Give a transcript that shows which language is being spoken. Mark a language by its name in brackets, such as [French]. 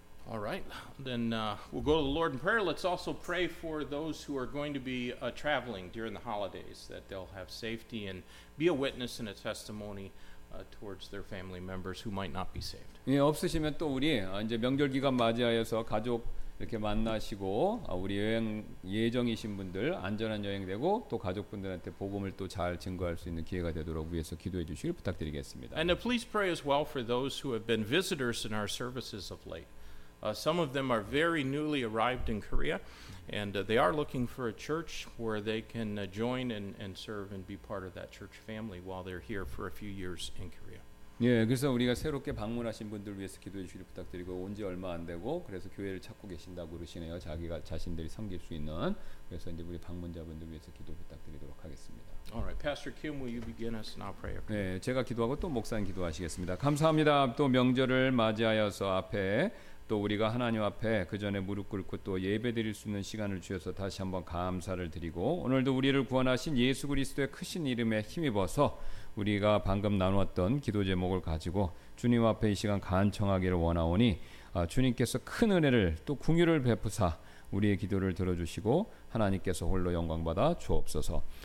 [English] All right, then we'll go to the Lord in prayer. Let's also pray for those who are going to be traveling during the holidays, that they'll have safety and be a witness and a testimony towards their family members who might not be saved. [Korean] 예, 없으시면 또 우리 이제 명절 기간 맞이하여서 가족 이렇게 만나시고 우리 여행 예정이신 분들 안전한 여행 되고 또 가족분들한테 복음을 또 잘 증거할 수 있는 기회가 되도록 위해서 기도해 주시길 부탁드리겠습니다. [English] And please pray as well for those who have been visitors in our services of late. Some of them are very newly arrived in Korea, and they are looking for a church where they can join and serve and be part of that church family while they're here for a few years in Korea. [Korean] 예, 그래서 우리가 새롭게 방문하신 분들 위해서 기도해 주시길 부탁드리고 온 지 얼마 안 되고 그래서 교회를 찾고 계신다고 그러시네요. 자기가 자신들이 섬길 수 있는 그래서 이제 우리 방문자분들 위해서 기도 부탁드리도록 하겠습니다. [English] All right, Pastor Kim, will you begin us in our prayer? [Korean] 네, 제가 기도하고 또 목사님 기도하시겠습니다. 감사합니다. 또 명절을 맞이하여서 앞에 또 우리가 하나님 앞에 그 전에 무릎 꿇고 또 예배 드릴 수 있는 시간을 주셔서 다시 한번 감사를 드리고 오늘도 우리를 구원하신 예수 그리스도의 크신 이름에 힘입어서 우리가 방금 나누었던 기도 제목을 가지고 주님 앞에 이 시간 간청하기를 원하오니 주님께서 큰 은혜를 또 궁휼을 베푸사 우리의 기도를 들어주시고 하나님께서 홀로 영광받아 주옵소서.